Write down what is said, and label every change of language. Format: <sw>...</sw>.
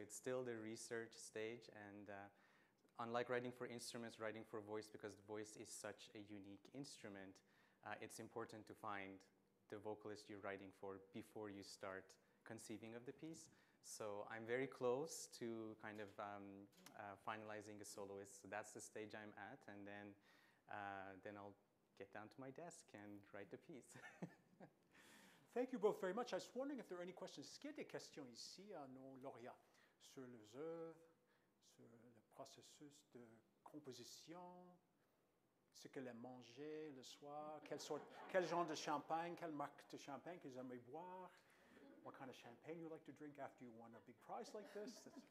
<en>So it's still the research stage. And unlike writing for instruments, writing for voice, because the voice is such a unique instrument, it's important to find the vocalist you're writing for before you start conceiving of the piece. So I'm very close to kind of finalizing a soloist. So that's the stage I'm at. And then I'll get down to my desk and write the piece. Thank you both very much. I was wondering if there are any questions.</en> <fr>Est-ce qu'il y a des questions ici à nos lauréats sur les œuvres, sur le processus de composition, ce qu'elles ont mangé le soir, quel genre de champagne, quelle marque de champagne qu'ils aiment boire?</fr> <en>What kind of champagne you like to drink after you won a big prize like this?</en>